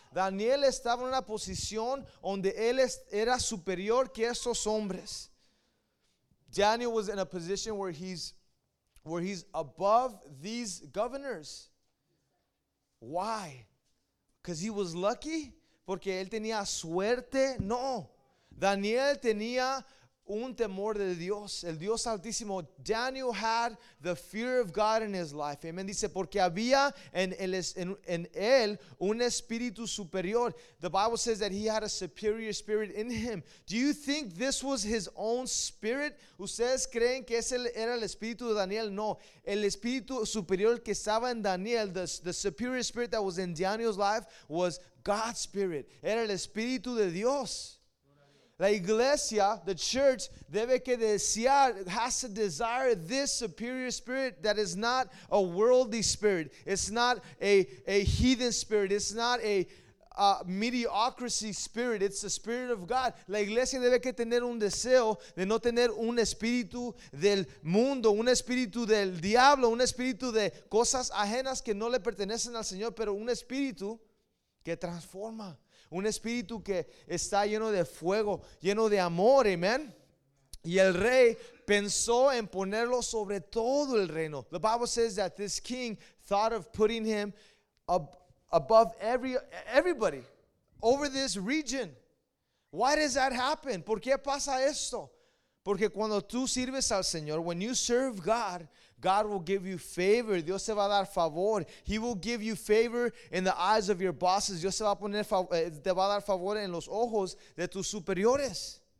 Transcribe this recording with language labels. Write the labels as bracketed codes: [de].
[es] Daniel estaba en una posición donde él era superior que esos hombres. [en] Daniel was in a position where he's above these governors. Why? Because he was lucky? [es] Porque él tenía suerte? [en] No. [es] Daniel tenía un temor de Dios, el Dios Altísimo. [en] Daniel had the fear of God in his life. Amen. [es] Dice, porque había en él un espíritu superior. [en] The Bible says that he had a superior spirit in him. Do you think this was his own spirit? [es] ¿Ustedes creen que ese era el espíritu de Daniel? No. El espíritu superior que estaba en Daniel, [en] the superior spirit that was in Daniel's life, was God's spirit. [es] Era el espíritu de Dios. La iglesia, [en] the church, [es] debe que desear, [en] has to desire this superior spirit that is not a worldly spirit. It's not a heathen spirit. It's not a mediocrity spirit. It's the spirit of God. [es] La iglesia debe que tener un deseo de no tener un espíritu del mundo, un espíritu del diablo, un espíritu de cosas ajenas que no le pertenecen al Señor, pero un espíritu que transforma. Un espíritu que está lleno de fuego, lleno de amor, amen. Y el rey pensó en ponerlo sobre todo el reino. [en] The Bible says that this king thought of putting him above everybody, over this region. Why does that happen? [es] ¿Por qué pasa esto? Porque cuando tú sirves al Señor, [en] when you serve God, God will give you favor. [es] Dios te va a dar favor. [en] He will give you favor in the eyes of your bosses. [es] Dios se va a poner te va a dar favor en los ojos de tus superiores.